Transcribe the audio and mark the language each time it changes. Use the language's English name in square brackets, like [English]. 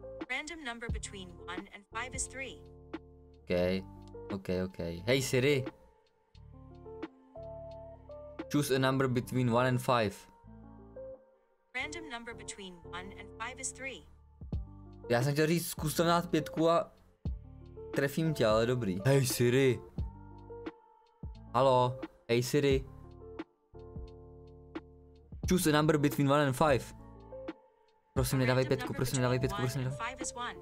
[English] Random number between 1 and 5 is 3. OK. Hey Siri. Choose a number between 1 and 5. Random number between 1 and 5 is 3. [Czech] Já jsem chtěl říct, zkus to dát pětku a trefím tě, ale dobrý. [English] Hey Siri. Haló. Hey Siri. Choose a number between 1 and 5. [Czech] Prosím, nedávej pětku, prosím, nedávej pětku, prosím, nedávej pětku.